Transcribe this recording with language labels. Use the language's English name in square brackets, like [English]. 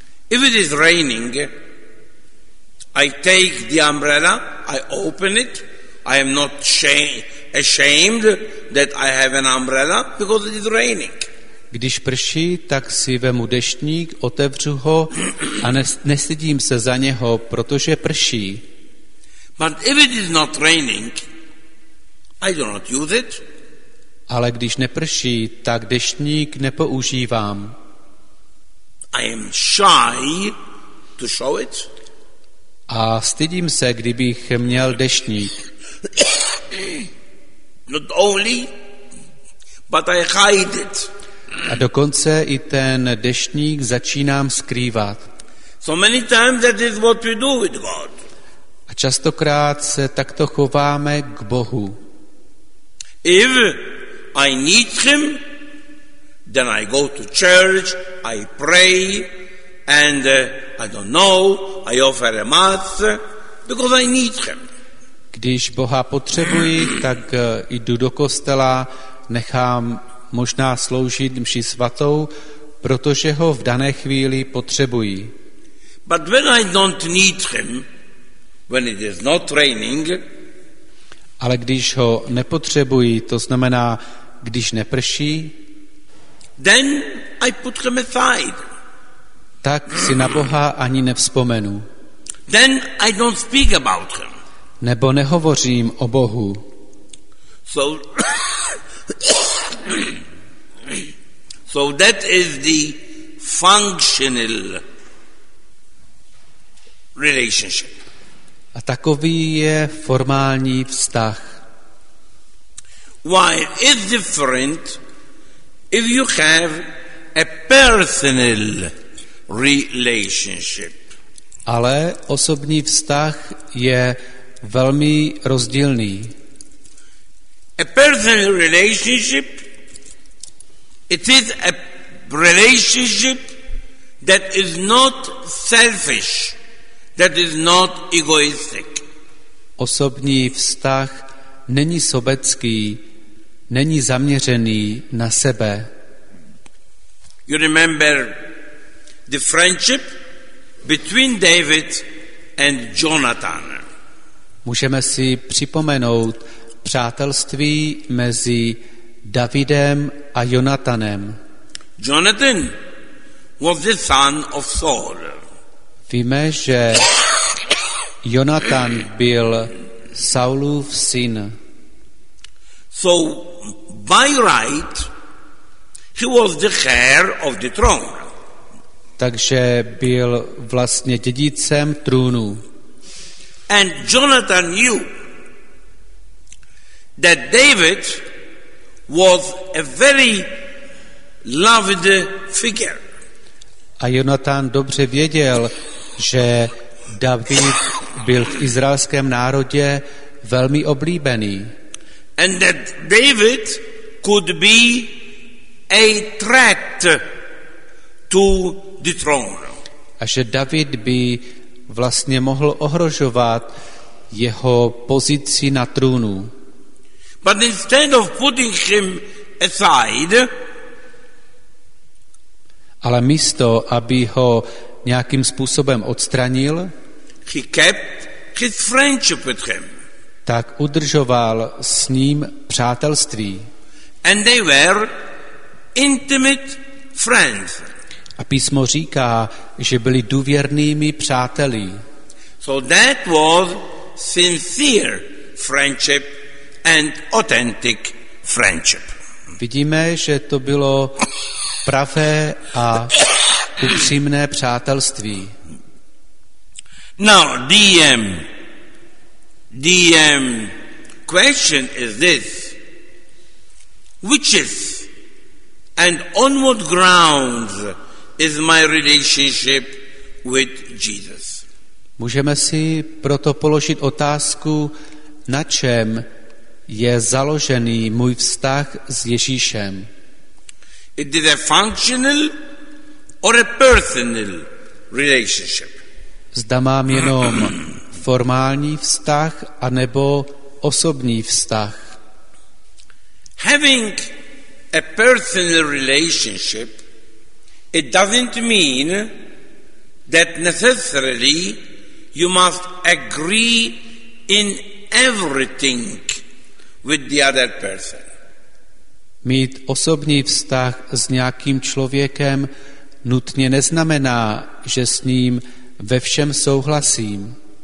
[English] If it is raining, I take the umbrella, I open it. I am not ashamed that I have an umbrella because it is raining. [Czech] Když prší, tak si vemu deštník, otevřu ho a nestydím se za něho, protože prší. [English] But if it is not raining, I do not use it. [Czech] Ale když neprší, tak deštník nepoužívám. [English] I am shy to show it. [Czech] A stydím se, kdybych měl deštník. [English] Not only, but I hide it. [Czech] A dokonce i ten deštník začínám skrývat. [English] So many times that is what we do with God. [Czech] A častokrát se takto chováme k Bohu. [English] If I need him, then I go to church, I pray, and I don't know, I offer a mass because I need him. [Czech] Když Boha potřebuji, tak jdu do kostela, nechám možná sloužit mši svatou, protože ho v dané chvíli potřebují. [English] But when I don't need him, when it is not raining, [Czech] ale když ho nepotřebuji, to znamená, když neprší, [English] then I put him aside. [Czech] Tak si na Boha ani nevzpomenu. [English] Then I don't speak about him. [Czech] Nebo nehovořím o Bohu. [English] So, so that is the functional relationship. [Czech] A takový je formální vztah. [English] Why is different if you have a personal relationship? [Czech] Ale osobní vztah je velmi rozdílný. [English] A personal relationship, it is a relationship that is not selfish, that is not egoistic. [Czech] Osobní vztah není sobecký, není zaměřený na sebe. [English] You remember the friendship between David and Jonathan. [Czech] Můžeme si připomenout přátelství mezi Davidem a Jonatanem. [English] Jonathan was the son of Saul. [Czech] Víme, že Jonatan byl Saulův syn. [English] So by right he was the heir of the throne. [Czech] Takže byl vlastně dědicem trůnu. [English] And Jonathan knew that David was a very loved figure. [Czech] A Jonathan dobře věděl, že David byl v izraelském národě velmi oblíbený. [English] And that David could be a threat to the throne. [Czech] A že David by vlastně mohl ohrožovat jeho pozici na trůnu. [English] But instead of putting him aside, [Czech] ale místo, aby ho nějakým způsobem odstranil, [English] he kept his friendship with him. [Czech] Tak udržoval s ním přátelství. [English] And they were intimate friends. [Czech] A písmo říká, že byli důvěrnými přáteli. [English] So that was sincere friendship and authentic friendship. [Czech] Vidíme, že to bylo pravé a upřímné přátelství. [English] Now, the question is this. Which is and on what grounds is my relationship with Jesus? [Czech] Můžeme si proto položit otázku, na čem je založený můj vztah s Ježíšem. [English] It is a functional or a personal relationship. [Czech] Zda mám jenom formální vztah anebo osobní vztah. [English] Having a personal relationship, it doesn't mean that necessarily you must agree in everything with the other person. [Czech] Mít osobní vztah s nějakým člověkem nutně neznamená, že s ním ve všem souhlasím.